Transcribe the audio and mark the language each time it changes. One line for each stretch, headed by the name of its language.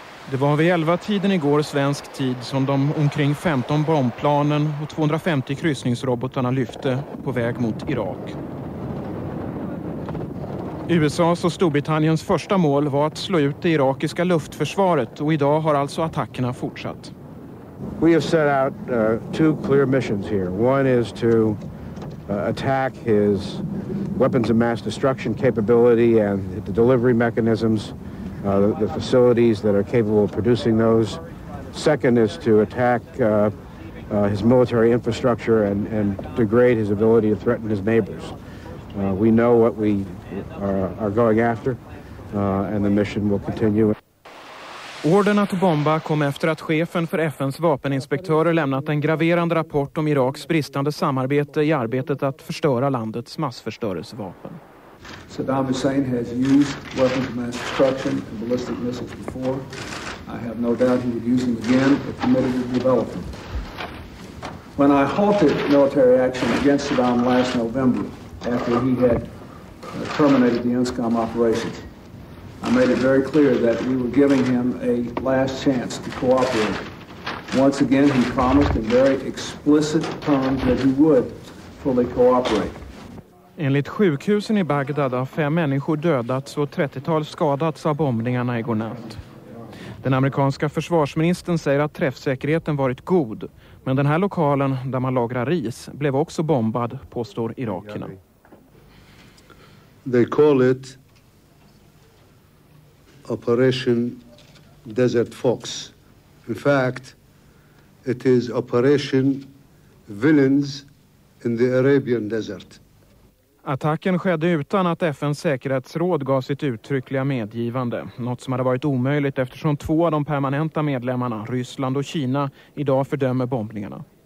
Swedish: Det var vid 11-tiden igår svensk tid som de omkring 15 bombplanen och 250 kryssningsrobotarna lyfte på väg mot Irak. USAs och Storbritanniens första mål var att slå ut det irakiska luftförsvaret, och idag har alltså attackerna fortsatt.
English: We have set out two clear missions here. One is to attack his weapons of mass destruction capability and the delivery mechanisms, the facilities that are capable of producing those. Second is to attack his military infrastructure and degrade his ability to threaten his neighbors. We know what we are going after, and the mission will continue.
Swedish: Orden att bomba kom efter att chefen för FNs vapeninspektörer lämnat en graverande rapport om Iraks bristande samarbete i arbetet att förstöra landets massförstörelsevapen.
English: Saddam Hussein has used weapons of mass destruction and ballistic missiles before. I have no doubt he would use them again if permitted to develop them. When I halted military action against Saddam last November, after he had terminated the UNSCOM operations, I made it very clear that we were giving him a last chance to cooperate. Once again, he promised in very explicit terms that he would fully cooperate.
Swedish: Enligt sjukhusen i Bagdad har 5 människor dödats och 30-tal skadats av bombningarna igår natt. Den amerikanska försvarsministern säger att träffsäkerheten varit god, men den här lokalen där man lagrar ris blev också bombad, påstår irakerna.
English: They call it Operation Desert Fox. In fact, it is Operation Villains in the Arabian Desert.
Swedish: Attacken skedde utan att FNs säkerhetsråd gav sitt uttryckliga medgivande. Något som hade varit omöjligt eftersom 2 av de permanenta medlemmarna, Ryssland och Kina, idag fördömer bombningarna.